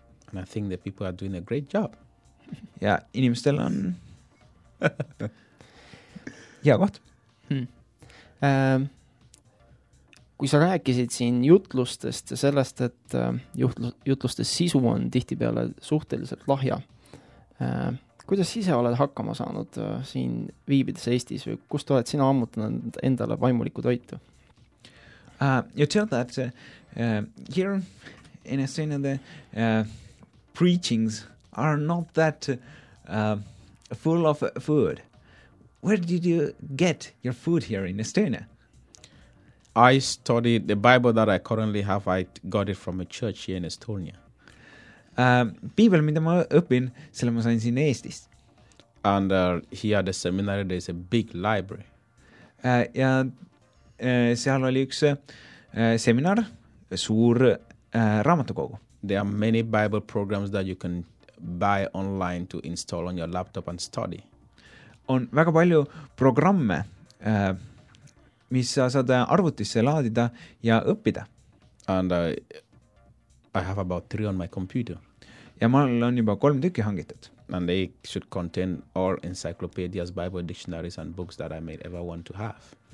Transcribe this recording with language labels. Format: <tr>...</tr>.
<en>And I think the people are doing a great job.</en> <et>Ja inimestel on hea koht. Kui sa rääkisid siin jutlustest ja sellest, et jutlustes sisu on tihti peale suhteliselt lahja, kuidas ise oled hakkama saanud siin viibides Eestis või kust oled sina ammutanud endale vaimuliku toitu?</et> <en>You tell that here in Estonia the preachings are not that full of food. Where did you get your food here in Estonia? I studied the Bible that I currently have, I got it from a church here in Estonia.</en> <et>Piibel, mida ma õpin, selle ma sain siin Eestist.</et> <en>And here at the seminary, there's a big library.</en> <et>Seal oli üks seminar, suur raamatukogu.</et> <en>There are many Bible programs that you can buy online to install on your laptop and study.</en> <et>on väga palju programme, mis sa saad arvutisse laadida ja õppida.</et> <en>And I have about 3 on my computer.</en> <et>Ja ma olen juba 3 tükki hangitud.</et> <en>And they should contain all encyclopedias, Bible dictionaries and books that I may ever want to have.</en>